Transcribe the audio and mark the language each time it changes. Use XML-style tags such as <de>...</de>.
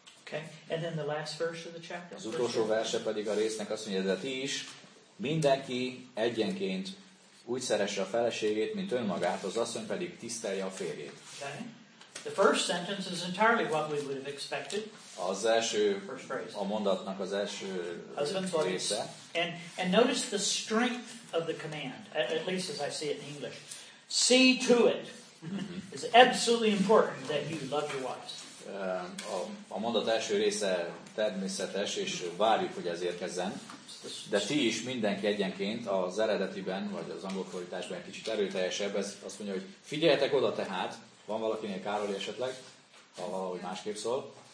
<en>Okay. And then the last verse of the chapter.</en> <hu>Az utolsó verse pedig a résznek azt mondja, de ti is mindenki egyenként úgy szeresse a feleségét, mint önmagát, az asszony pedig tisztelje a férjét.</hu> <en>Okay. The first sentence is entirely what we would have expected.</en> <hu>Az első, a mondatnak az első része.</hu> <en>And notice the strength of the command, at least as I see it in English. See to it. It's absolutely important that you love your wives.</en> <hu>A mondat első része természetes, és várjuk, hogy ez érkezzen. De ti is mindenki egyenként az eredetiben, vagy az angol fordításban kicsit erőteljesebb, ez azt mondja, hogy figyeljetek oda tehát. Van valakinél Károli esetleg, ha valahogy másképp szól.</hu>